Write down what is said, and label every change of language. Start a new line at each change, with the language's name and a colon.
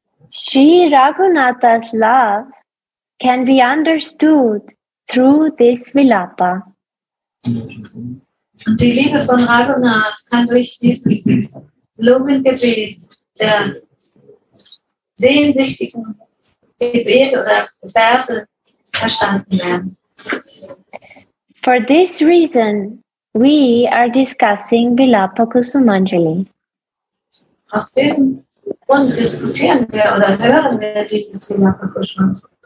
English: Sri Raghunatha's love can be understood through this Vilapa.
German: Und die Liebe von Raghunath kann durch dieses Blumengebet der sehnsüchtigen Gebet oder Verse verstanden werden.
English: For this reason, we are discussing Vilapa Kusumanjali.
German: Aus diesem Grund diskutieren wir oder hören wir dieses Vilapa Kusumanjali.